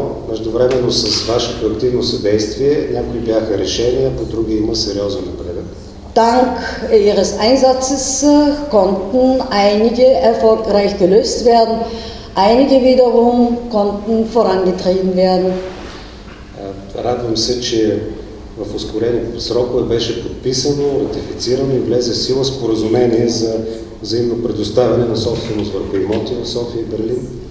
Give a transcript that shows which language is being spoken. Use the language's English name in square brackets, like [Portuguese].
[Bulgarian] Междувременно с вашето активно съдействие някои бяха решения, по други има сериозен напредък. [German] Dank Ihres Einsatzes konnten einige erfolgreich gelöst werden, einige wiederum konnten vorangetrieben werden. [Bulgarian] Радвам се, че в ускорени срокове беше подписано, ратифицирано и влезе в сила споразумение за взаимно предоставяне на собственост върху имоти в София и Берлин.